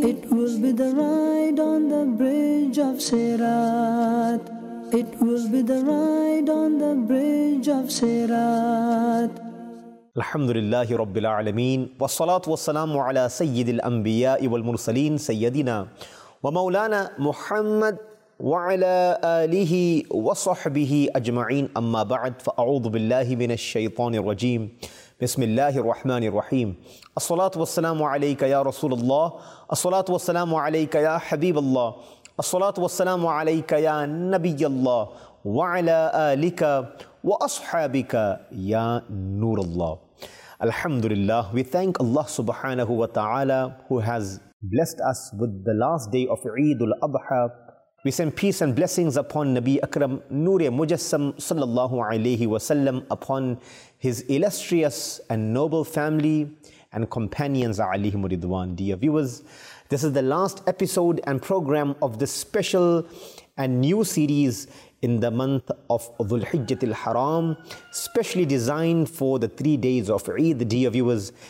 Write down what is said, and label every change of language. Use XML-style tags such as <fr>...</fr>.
<en>It will be the ride on the bridge of Sirat. It will be the ride on the bridge of Sirat.</en> <ar>Alhamdulillahi Rabbil Alameen. Wassalatu wassalamu ala Sayyidil Anbiya'i wal Mursaleen Sayyidina wa Mawlana Muhammad وعلى آله وصحبه أجمعين أما بعد فأعوذ بالله من الشيطان الرجيم بسم الله الرحمن الرحيم الصلاة والسلام عليك يا رسول الله الصلاة والسلام عليك يا حبيب الله الصلاة والسلام عليك يا نبي الله وعلى آلك وأصحابك يا نور الله</ar> <en>الحمد لله We thank Allah سبحانه وتعالى who has blessed us with the last day of Eid al-Adha. We send peace and blessings upon Nabi Akram Nuri Mujassam Sallallahu Alaihi Wasallam, upon his illustrious and noble family and companions Alihi Muridwan. Dear viewers, this is the last episode and program of this special and new series in the month of Dhul-Hijjatil Haram, specially designed for the 3 days of Eid, dear viewers.</en>